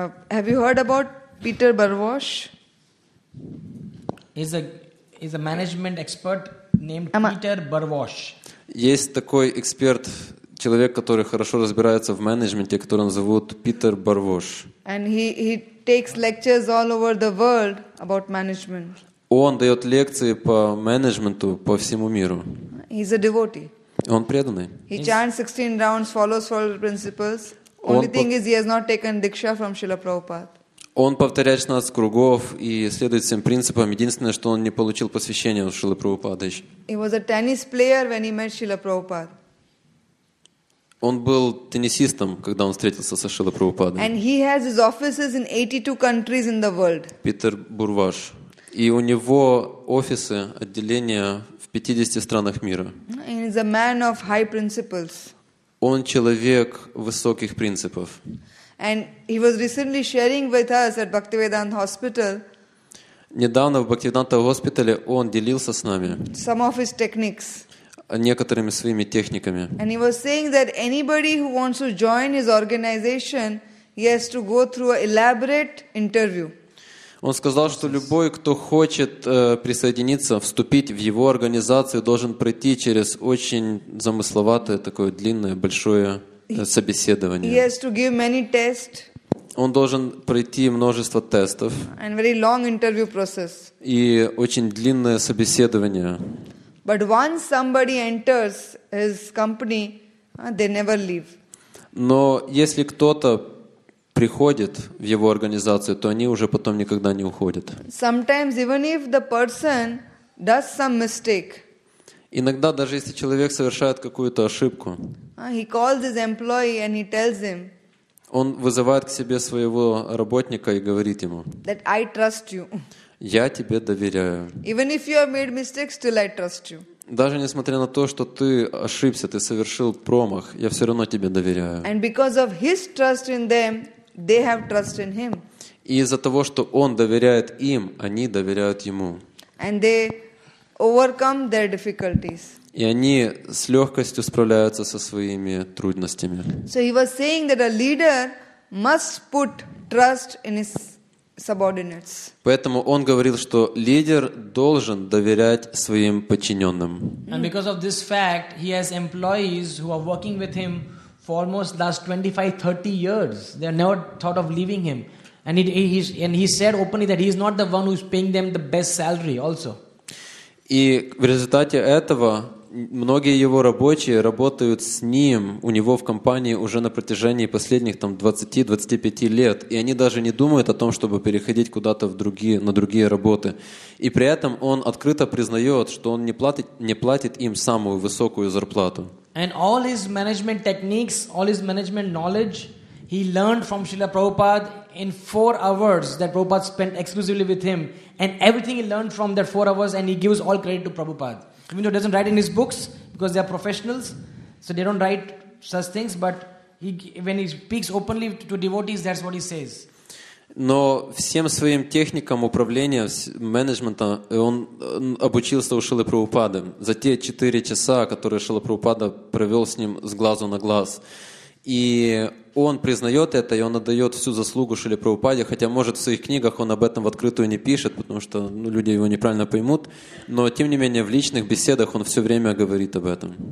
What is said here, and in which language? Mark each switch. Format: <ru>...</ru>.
<en>Have you heard about Peter Barwash? Is a management expert named Peter Barwash.</en> <ru>Есть такой эксперт, человек, который хорошо разбирается в менеджменте, которого зовут Питер Барвош.</ru> <en>And he takes lectures all over the world about management.</en> <ru>Он дает лекции по менеджменту по всему миру.</ru> <en>He's a devotee.</en> <ru>Он преданный.</ru> <en>He chants 16 rounds, follows four principles. Only thing is, he has not taken diksha from Srila Prabhupada.</en> <ru>Он повторяет 16 кругов и следует всем принципам. Единственное, что он не получил посвящение у Шрилы Прабхупады.</ru> <en>He was a tennis player when he met Srila Prabhupada.</en> <ru>Он был теннисистом, когда он встретился со Шрилой Прабхупадой.</ru> <en>And he has his offices in 82 countries in the world.</en> <ru>Питер Барвош. И у него офисы, отделения в 50 странах мира.</ru> <en>He's a man of high principles.</en> <ru>Он человек высоких принципов.</ru> <en>And he was recently sharing with us at Bhaktivedanta Hospital.</en> <ru>Недавно в Бхактивиданта госпитале он делился с нами.</ru> <en>Some of his techniques.</en> <ru>Некоторыми своими техниками.</ru> <en>And he was saying that anybody who wants to join his organization, he has to go through an elaborate interview.</en> <ru>Он сказал, что любой, кто хочет присоединиться, вступить в его организацию, должен пройти через очень замысловатое, такое длинное, большое собеседование.</ru> <en>He has to give many tests.</en> <ru>Он должен пройти множество тестов.</ru> <en>And very long interview process.</en> <ru>И очень длинное собеседование.</ru> <en>But once somebody enters his company, they never leave.</en> <ru>Но если кто-то приходит в его организацию, то они уже потом никогда не уходят.</ru> <en>Sometimes even if the person does some mistake.</en> <ru>Иногда даже если человек совершает какую-то ошибку,</ru> <en>he calls his employee and he tells him,</en> <ru>он вызывает к себе своего работника и говорит ему,</ru> <en>that I trust you.</en> <ru>Я тебе доверяю.</ru> <en>Even if you have made mistakes, still I trust you.</en> <ru>Даже несмотря на то, что ты ошибся, ты совершил промах, я все равно тебе доверяю.</ru> <en>And because of his trust in them, they have trust in him.</en> <ru>И из-за того, что он доверяет им, они доверяют ему.</ru> <en>And they overcome their difficulties.</en> <ru>И они с легкостью справляются со своими трудностями.</ru> <en>So he was saying that a leader must put trust in his subordinates.</en> <ru>Поэтому он говорил, что лидер должен доверять своим подчиненным.</ru> <en>And because of this fact, he has employees who are working with him for almost last 25-30 years. They never thought of leaving him. And he said openly that he is not the one who is paying them the best salary also.</en> <ru>И в результате этого многие его рабочие работают с ним, у него в компании уже на протяжении последних там 20-25 лет, и они даже не думают о том, чтобы переходить куда-то на другие работы. И при этом он открыто признает, что он не платит им самую высокую зарплату.</ru> <en>And all his management techniques, all his management knowledge, he learned from Srila Prabhupada in 4 hours that Prabhupada spent exclusively with him. And everything he learned from that 4 hours, and he gives all credit to Prabhupada. Even though he doesn't write in his books, because they are professionals, so they don't write such things, but when he speaks openly to devotees, that's what he says.</en> <ru>Но всем своим техникам управления, менеджмента, он обучился у Шрилы Прабхупады за те 4 часа, которые Шрила Прабхупада провел с ним с глазу на глаз. И он признает это, и он отдает всю заслугу Шриле Прабхупаде, хотя, может, в своих книгах он об этом в открытую не пишет, потому что люди его неправильно поймут, но, тем не менее, в личных беседах он все время говорит об этом.</ru>